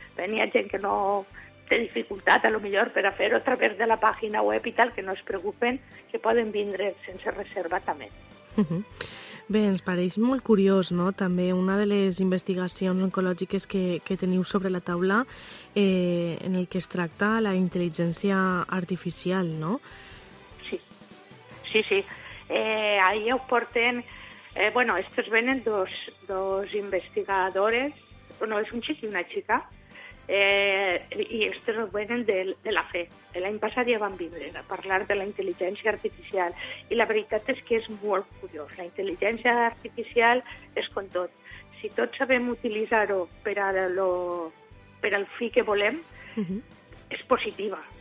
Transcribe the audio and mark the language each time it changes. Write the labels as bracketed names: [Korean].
[Catalan] Bé, hi ha gent que no té dificultat, a lo millor, per a fer-ho a través de la pàgina web i tal, que no es preocupen, que poden vindre sense reserva també. Bé, ens pareix molt curiós, no? També una de les investigacions oncològiques que teniu sobre la taula en el que es tracta la intel·ligència artificial, no? Sí. Ahí ho porten... [Spanish] bueno, estos venen dos investigadores, uno es un chico y una chica, y estos venen de la FE. [Catalan] L'any passat ja van vindre a parlar de la intel·ligència artificial i la veritat és que és molt curiós. La intel·ligència artificial és com tot. Si tots sabem utilitzar-ho per al fi que volem, és positiva.